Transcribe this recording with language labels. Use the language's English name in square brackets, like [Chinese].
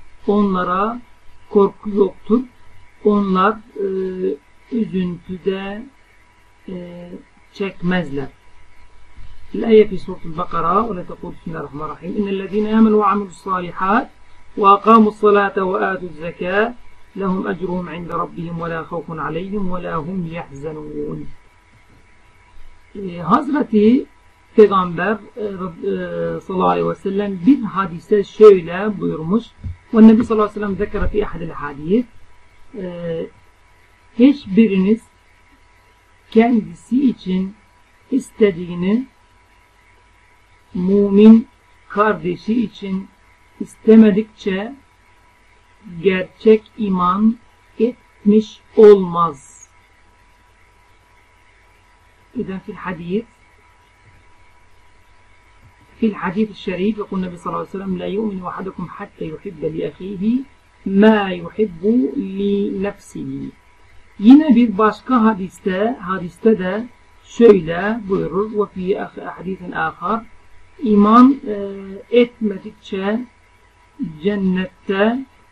[Turkish] Onlara korku yoktur. Onlar üzüntüde çekmezler. [Arabic] الآية في سورة البقرة ولا تقول بسم الله الرحمن الرحيم إن الذين آمنوا وعملوا الصالحات وأقاموا الصلاة وآتوا الزكاة لهم أجرهم عند ربهم ولا خوف عليهم ولا هم يحزنون. [Turkish] Hazreti Peygamber sallallahu aleyhi ve sellem bir hadise şöyle buyurmuş. [Arabic] Ve Nebi sallallahu aleyhi ve sellem zekere fi ahdil hadis. [Turkish] Hiçbiriniz kendisi için istediğini mümin kardeşi için istemedikçe gerçek iman etmiş olmaz. [Arabic] Eden fi hadis. في الحديث الشريف يقول النبي صلى الله عليه وسلم لا يؤمن أحدكم حتى يحب لأخيه ما يحب لنفسه. [Turkish] Yine bir başka hadiste de şöyle buyurur ve [Arabic] في حديث آخر [Turkish] iman etmedikçe cennette